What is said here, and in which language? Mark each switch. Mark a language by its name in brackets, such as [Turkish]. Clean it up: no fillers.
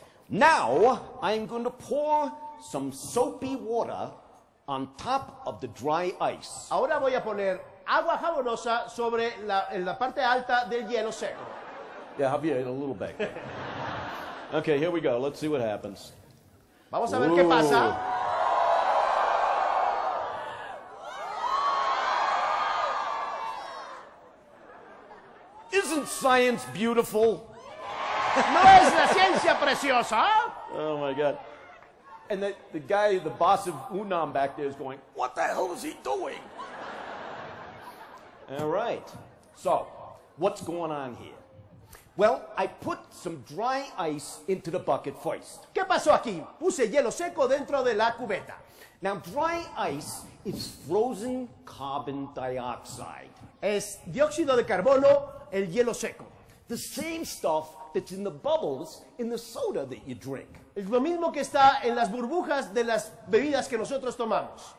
[English] Now, I'm going to pour some soapy water on top of the dry ice. [Spanish] Ahora voy a poner agua jabonosa sobre la parte alta del hielo seco. [English] Yeah, Javier, a little bit. Okay, here we go. Let's see what happens. [Spanish] Vamos a ver qué pasa. [English] Isn't science beautiful? [Spanish] No es la ciencia preciosa. [English] Oh my God. And the guy, the boss of UNAM back there is going, what the hell is he doing? All right. So, what's going on here? Well, I put some dry ice into the bucket first. [Spanish] ¿Qué pasó aquí? Puse hielo seco dentro de la cubeta. [English] Now, dry ice is frozen carbon dioxide. [Spanish] Es dióxido de carbono, el hielo seco. [English] The same stuff that's in the bubbles in the soda that you drink. [Spanish] Es lo mismo que está en las burbujas de las bebidas que nosotros tomamos.